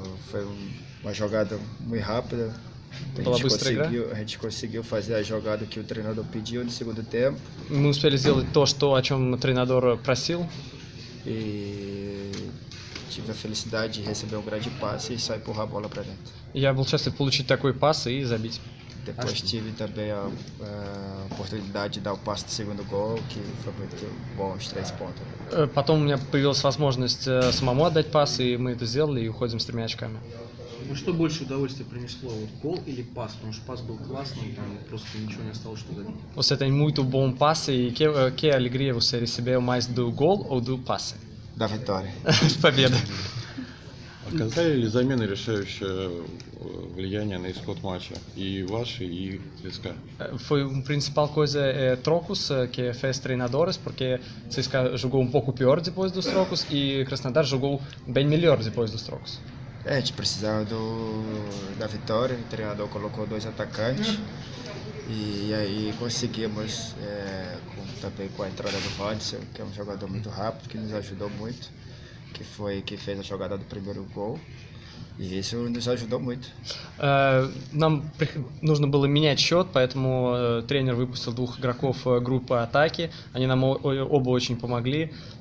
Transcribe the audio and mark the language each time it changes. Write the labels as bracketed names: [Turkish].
[Portuguese] Foi uma jogada muito rápida. [Russian] Была быстрая игра. [Portuguese] A gente conseguiu fazer a jogada que o treinador pediu no segundo tempo. [Russian] Мы успели сделать то, что, о чем тренер просил. [Portuguese] E tive a felicidade de receber um grande passe e só empurrar a bola para dentro. [Russian] Я был счастлив получить такой пас и забить. [Portuguese] Depois tive também a oportunidade de dar o passe do segundo gol, que foi muito bom, os 3 pontos. [Russian] Потом у меня появилась возможность самому отдать пас, и мы это сделали, и уходим с 3 очками. Ну что больше удовольствия принесло, вот гол или пас? Потому что пас был классный, и просто ничего не осталось, что забить. [Portuguese] Você tem muito bom passe, e que alegria você recebeu mais do gol ou do passe? Da vitória. [Russian] Победа. Оказали ли замены решающее влияние на исход матча и ваши, и ЦСКА? [Portuguese] Foi um principal coisa trocos que fez treinadores, porque ЦСКА jogou um pouco pior depois dos trocos e Краснодар jogou bem melhor depois dos trocos. A gente precisava da vitória, o treinador colocou 2 atacantes e aí conseguimos também com a entrada do Vanderson, que é jogador muito rápido, que nos ajudou muito. Que foi que fez a jogada do primeiro gol. E isso nos ajudou muito. [Russian] Нам нужно было менять счет, поэтому тренер выпустил 2 игроков группы атаки. Они нам оба очень помогли.